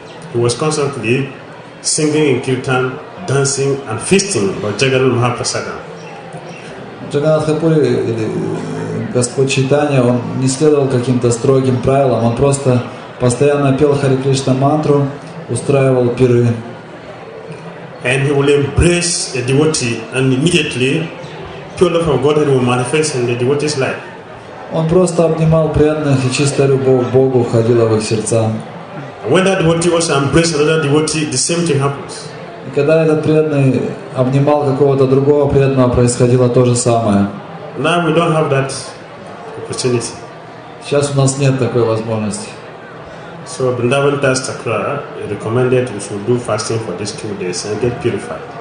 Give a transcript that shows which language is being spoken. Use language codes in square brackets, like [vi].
[en] He was constantly singing in kirtan, dancing and feasting for Jagannath Mahaprasadam. [ru] Jagannath Mahaprabhu, Господь Чайтанья, он не следовал каким-то строгим правилам, он просто постоянно пел Харе Кришна мантру, устраивал пиры. [en] And he will embrace a devotee and immediately pure love of God will manifest in the devotee's life. [ru] Он просто обнимал преданных и чистая любовь к Богу входила в их сердца. [en] When that devotee also embraced another devotee, the same thing happens. [ru] И когда этот преданный обнимал какого-то другого преданного, происходило то же самое. [en] Now we don't have that opportunity. [ru] Сейчас у нас нет такой возможности. [en] So Vrindavan Das Thakura recommended we should do fasting for these 2 days and get purified.